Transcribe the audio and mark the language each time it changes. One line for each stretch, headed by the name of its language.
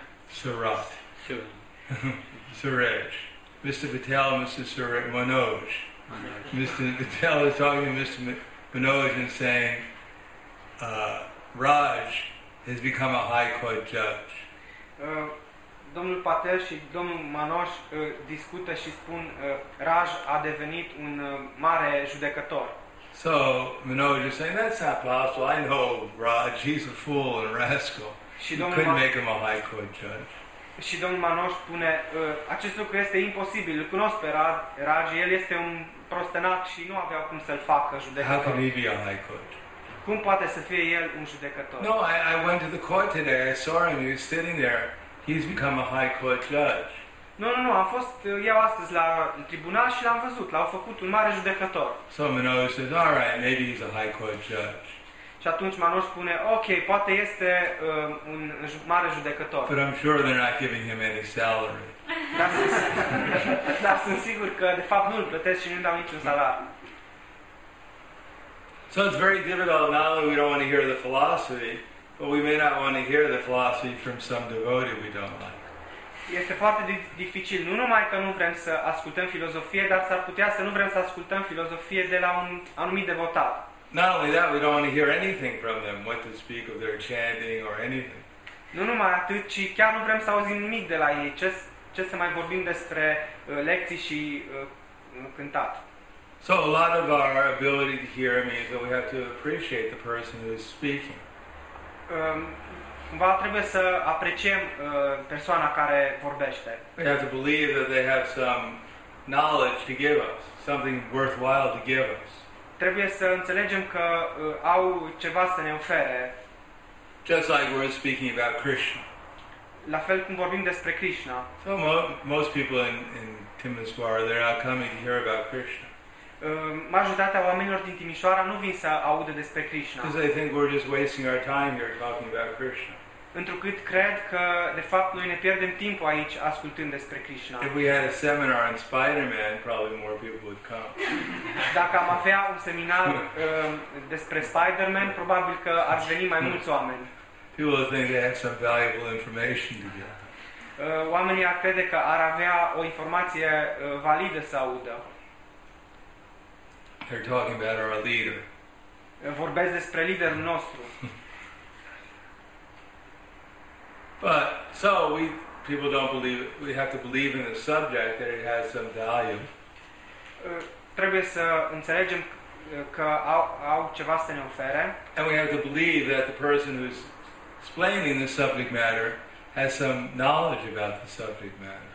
English: Surat. Suraj. Mr. Patel and Mr. Suraj. Manoj. Mr. Patel is talking to Mr. Manoj and saying, Raj has become a high court judge.
Romanian: Domnul Patel și domnul Manoj discută și spun, Raj a devenit un mare judecător.
English: So, Manoj is saying, that's not possible. I know Raj, he's a fool and a rascal.
Romanian: Și
English: you couldn't make him a high court judge.
Romanian: Și domnul Manoj spune, acest lucru este imposibil. Îl cunosc pe Raj, el este un prostenac și nu avea cum să-l facă judecător.
English: How can he be a high court?
Romanian: Cum poate să fie el un judecător?
English: No, I went to the court today, I saw him, he was sitting there. He's become a high court judge. No, no, no.
Romanian: Am fost eu astăzi la tribunal și l-am văzut. L-au făcut un mare judecător.
English: So Manoj says, all right, maybe he's a high court judge.
Romanian: Și atunci Manoj spune, ok, poate este un mare judecător.
English: But I'm sure they're not giving him any salary.
Romanian: Dar sunt sigur că de fapt nu îl plătesc și nu-i dau niciun salariu.
English: So it's very difficult. Not only we don't want to hear the philosophy, but we may not want to hear the philosophy from some devotee we don't like.
Romanian: Este foarte dificil. Nu numai că nu vrem să ascultăm filozofie, dar s-ar putea să nu vrem să ascultăm filozofie de la un anumit devotat.
English: Not only that, we don't want to hear anything from them, what to speak of their chanting or anything.
Romanian: Nu numai atât, ci chiar nu vrem să auzim nimic de la ei. Ce să mai vorbim despre lecții și cântat.
English: So a lot of our ability to hear means that we have to appreciate the person who is speaking.
Romanian: Cumva trebuie să apreciem persoana care vorbește.
English: We have to believe that they have some knowledge to give us, something worthwhile to give us.
Romanian: Trebuie să înțelegem că au ceva să ne ofere.
English: Just like we're speaking about Krishna.
Romanian: La fel cum vorbim despre Krishna.
English: So most people in Timisoara, they're not coming to hear about Krishna.
Romanian: Majoritatea oamenilor din Timișoara nu vin să audă despre Krishna.
English: Because they think we're just wasting our time here talking about Krishna.
Romanian: Întrucât cred că de fapt noi ne pierdem timpul aici ascultând despre Krishna.
English: If we had a seminar on Spider-Man, probably more people would come.
Romanian: Dacă am avea un seminar despre Spider-Man, probabil că ar veni mai mulți oameni.
English: People think they have some valuable information to get.
Romanian: Oamenii ar crede că ar avea o informație validă să audă.
English: They're talking about our leader.
Romanian: Vorbesc despre liderul nostru.
English: But so people don't believe. We have to believe in the subject that it has some value.
Romanian: Trebuie să înțelegem că au ceva să ne ofere.
English: And we have to believe that the person who's explaining the subject matter has some knowledge about the subject matter.